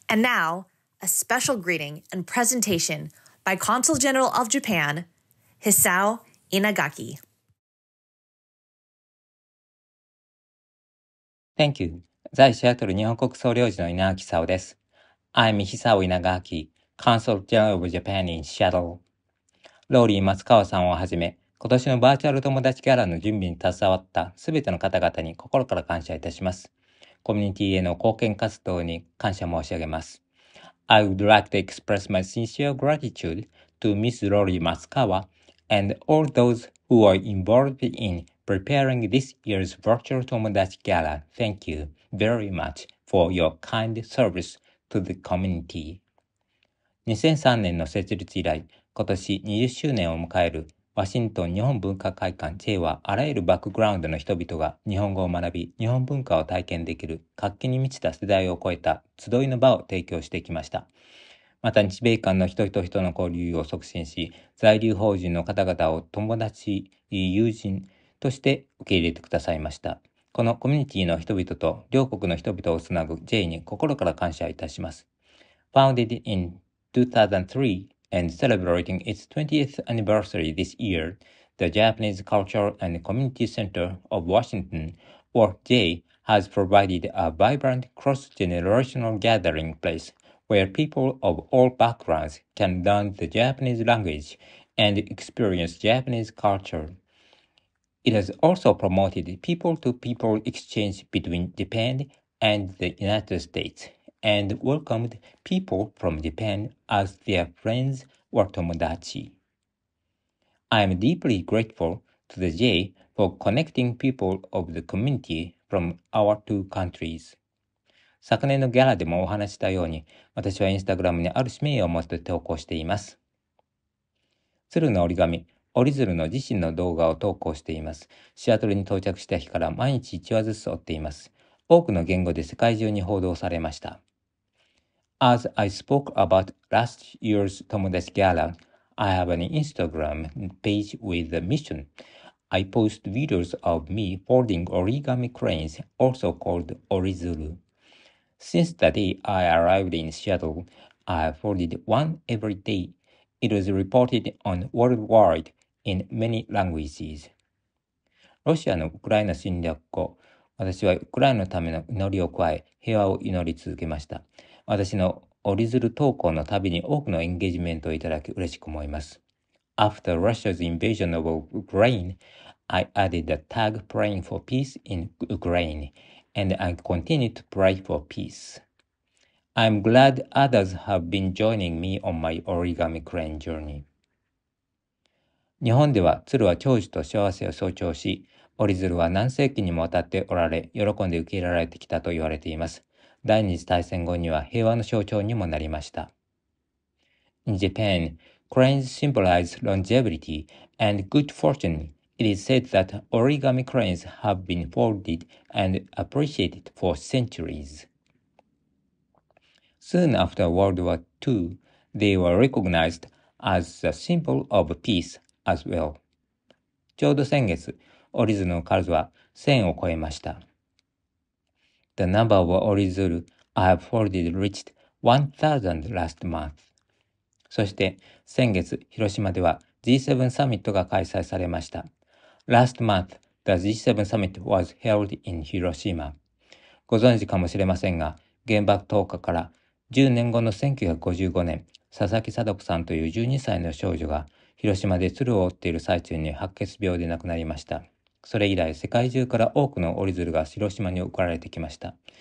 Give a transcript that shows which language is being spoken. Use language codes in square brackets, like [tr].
[en] And now, a special greeting and presentation by Consul General of Japan, Hisao Inagaki. Thank you. [ja] 在シアトル日本国総領事の稲垣沙です。 [en] I'm Hisao Inagaki, Consul General of Japan in Seattle. [ja] ローリー松川さんをはじめ、今年のバーチャル友達ギャラの準備に携わったすべての方々に心から感謝いたします。コミュニティへの貢献活動に感謝申し上げます。 [en] I would like to express my sincere gratitude to Ms. Rory Matsukawa and all those who are involved in preparing this year's Virtual Tomodachi Gala. Thank you very much for your kind service to the community. [ja] 2003年の設立以来、今年20周年を迎えるワシントン日本文化会館 J はあらゆるバックグラウンドの人々が日本語を学び、日本文化を体験できる活気に満ちた世代を超えた集いの場を提供してきました。また日米間の人々と人の交流を促進し、在留邦人の方々を友達、友人として受け入れてくださいました。このコミュニティの人々と両国の人々をつなぐ J に心から感謝いたします。 [en] Founded in 2003,And celebrating its 20th anniversary this year, the Japanese Cultural and Community Center of Washington, or JAY, has provided a vibrant cross-generational gathering place where people of all backgrounds can learn the Japanese language and experience Japanese culture. It has also promoted people-to-people exchange between Japan and the United States. And welcomed people from Japan as their friends or tomodachi. I am deeply grateful to the J for connecting people of the community from our two countries. [ja] 昨年のギャラでもお話したように、私はインスタグラムにある使命を持って投稿しています。鶴の折り紙、折り鶴の自身の動画を投稿しています。シアトルに到着した日から毎日1話ずつ折っています。多くの言語で世界中に報道されました。 [en] As I spoke about last year's Tomodachi Gala, I have an Instagram page with a mission. I post videos of me folding origami cranes, also called orizuru. Since the day I arrived in Seattle, I folded one every day. It was reported on worldwide in many languages. [ja] ロシアのウクライナ侵略後、私はウクライナのための祈りを加え、平和を祈り続けました。私の折り鶴投稿の旅に多くのエンゲージメントをいただき嬉しく思います。 [en] After Russia's invasion of Ukraine, I added the tag praying for peace in Ukraine, and I continue to pray for peace. I'm glad others have been joining me on my origami crane journey. [ja] 日本では鶴は長寿と幸せを象徴し、折り鶴は何世紀にもわたっておられ、喜んで受け入れられてきたと言われています。第二次大戦後には平和の象徴にもなりました。 [en] In Japan, cranes symbolize longevity and good fortune. It is said that origami cranes have been folded and appreciated for centuries. Soon after World War II, they were recognized as a symbol of peace as well. [ja] ちょうど先月、折り鶴の数は1000を超えました。 [en] The number of orizuru I have folded reached 1,000 last month. [ja] そして先月、広島では G7 サミットが開催されました。 [en] Last month, the G7 summit was held in Hiroshima. [ja] ご存知かもしれませんが、原爆投下から10年後の1955年、佐々木貞子さんという12歳の少女が広島で鶴を折っている最中に白血病で亡くなりました。それ以来、世界中から多くの折り鶴が広島に送られてきました。